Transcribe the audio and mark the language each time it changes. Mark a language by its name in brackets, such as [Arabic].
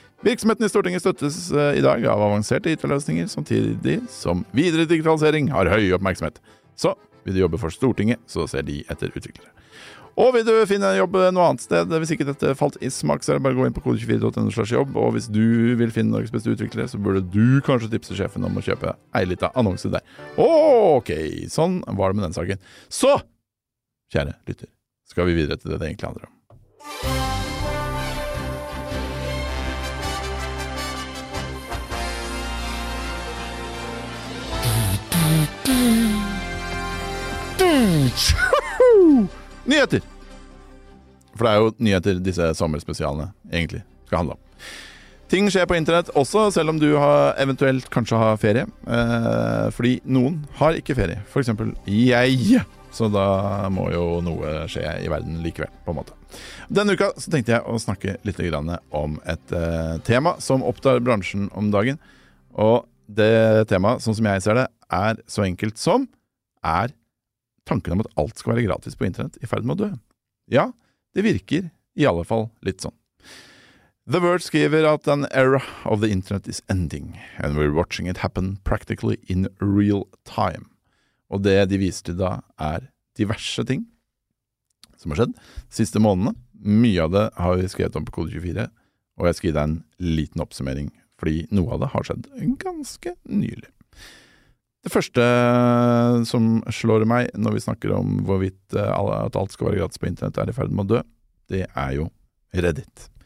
[Norwegian] Virksomheten I Stortinget støttes I dag av avanserte IT-løsninger, samtidig som videre digitalisering har høy oppmerksomhet. Så vil du jobbe for Stortinget, så ser de etter utviklere. Og vil du finne en jobb noe annet sted, hvis ikke dette falt I smak, så bare gå inn på kode24.no/jobb. Og hvis du vil finne Norges beste utviklere, så burde du kanskje tipse sjefen om å kjøpe en liten annonse der. Ok, sånn var det med den saken. Så, kjære lytter, skal vi videre til det egentlig handler om. Nyheter! For det jo nyheter disse sommerspesialene egentlig skal handle om. Ting skjer på internett også, selv om du har eventuelt kanskje har ferie. Fordi noen har ikke ferie. For eksempel jeg. Så da må jo noe skje I verden likevel, på en måte. Denne uka så tenkte jeg å snakke litt om et tema som opptar bransjen om dagen. Og det tema, sånn som jeg ser det, så enkelt som tanken om at alt skal være gratis på internett I ferd med å dø. Ja, det virker I alle fall litt sånn. [English] The Verge [Norwegian] skriver at [English] an era of the internet is ending, and we're watching it happen practically in real time. [Norwegian] Og det de viser til da diverse ting som har skjedd siste månedene. Mye av det har vi skrevet om på Kode 24, og jeg skal gi deg en liten oppsummering, fordi noe av det har skjedd ganske nylig. Det første som slår meg når vi snakker om hvorvidt at alt skal være gratis på internett I ferd med å dø, det jo Reddit.